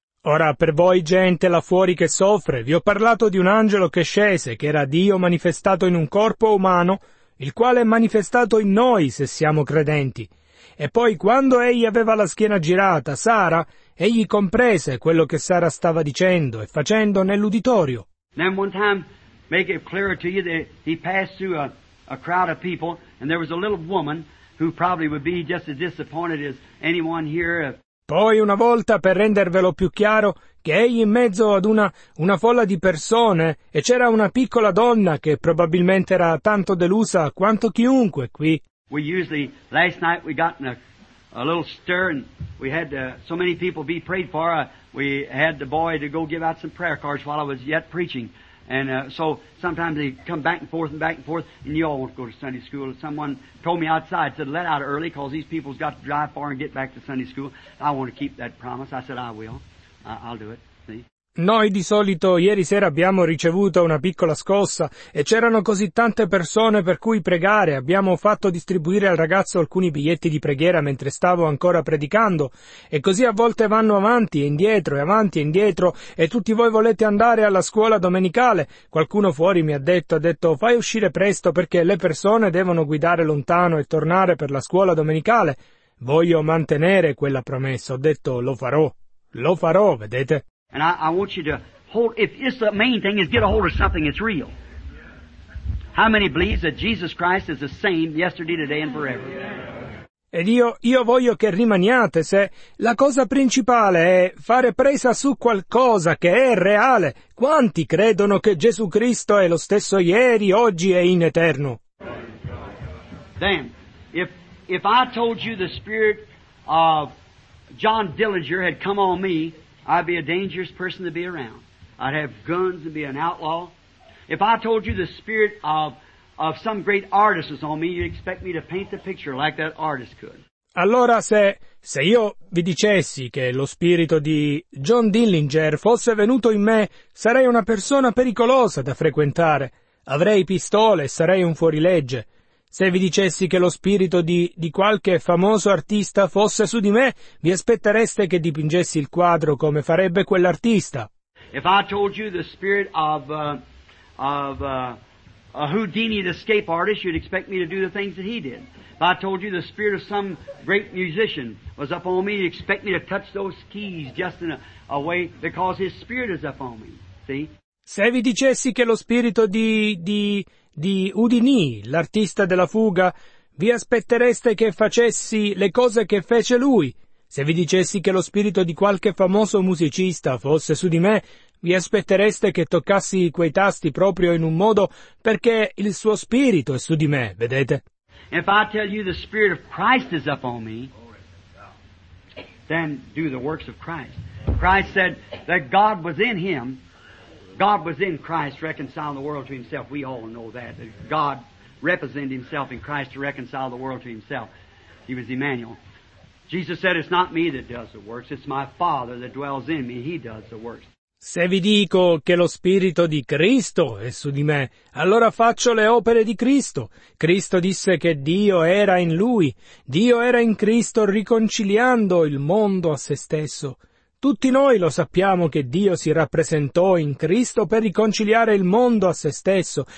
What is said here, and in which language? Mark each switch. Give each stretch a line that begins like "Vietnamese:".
Italian: Ora, per voi gente là fuori che soffre, vi ho parlato di un angelo che scese, che era Dio manifestato in un corpo umano, il quale è manifestato in noi se siamo credenti. E poi, quando egli aveva la schiena girata, Sara, egli comprese quello che Sara stava dicendo e facendo nell'uditorio.
English: Then one time, make it clearer to you that he passed through a crowd of people, and there was a little woman who probably would be just as disappointed as anyone here.
Italian: Poi una volta, per rendervelo più chiaro, che egli in mezzo ad una folla di persone, e c'era una piccola donna che probabilmente era tanto delusa quanto chiunque qui.
English: We usually, last night we got in a little stir, and we had so many people be prayed for. We had the boy to go give out some prayer cards while I was yet preaching. And so sometimes they come back and forth, and you all won't go to Sunday school. Someone told me outside, said, let out early, because these people's got to drive far and get back to Sunday school. I want to keep that promise. I said, I will. I'll do it. See?
Italian: Noi di solito ieri sera abbiamo ricevuto una piccola scossa e c'erano così tante persone per cui pregare. Abbiamo fatto distribuire al ragazzo alcuni biglietti di preghiera mentre stavo ancora predicando. E così a volte vanno avanti e indietro e avanti e indietro e tutti voi volete andare alla scuola domenicale. Qualcuno fuori mi ha detto fai uscire presto perché le persone devono guidare lontano e tornare per la scuola domenicale. Voglio mantenere quella promessa. Ho detto lo farò, vedete?
English: And I want you to hold, if it's the main thing, is get a hold of something that's real. How many believe that Jesus Christ is the same yesterday, today and forever?
Italian: Ed io voglio che rimaniate se la cosa principale è fare presa su qualcosa che è reale. Quanti credono che Gesù Cristo è lo stesso ieri, oggi e in eterno?
English: Then, if I told you the spirit of John Dillinger had come on me, I'd be a dangerous person to be around. I'd have guns and be an outlaw. If I told you the spirit of some great artist was on me, you'd expect me to paint the picture like that artist could.
Italian: Allora se io vi dicessi che lo spirito di John Dillinger fosse venuto in me, sarei una persona pericolosa da frequentare. Avrei pistole e sarei un fuorilegge. Se vi dicessi che lo spirito di qualche famoso artista fosse su di me, vi aspettereste che dipingessi il quadro come farebbe quell'artista.
English: If I told you the spirit of a Houdini, the escape artist, you'd expect me to do the things that he did. If I told you the spirit of some great musician was up on me, you'd expect me to touch those keys just in a way because his spirit is up on me. See?
Italian: Se vi dicessi che lo spirito di Houdini, l'artista della fuga, vi aspettereste che facessi le cose che fece lui. Se vi dicessi che lo spirito di qualche famoso musicista fosse su di me, vi aspettereste che toccassi quei tasti proprio in un modo perché il suo spirito è su di me, vedete?
English: If I tell you the spirit of Christ is up on me, then do the works of Christ. Christ said that God was in him. God was in Christ reconciling the world to himself. We all know that. God represented himself in Christ to reconcile the world to himself. He was Emmanuel. Jesus said, it's not me that does the works, it's my Father that dwells in me. He does the works.
Italian: Se vi dico che lo Spirito di Cristo è su di me, allora faccio le opere di Cristo. Cristo disse che Dio era in Lui. Dio era in Cristo riconciliando il mondo a se stesso. Tutti noi lo sappiamo che Dio si rappresentò in Cristo per riconciliare il mondo a se stesso.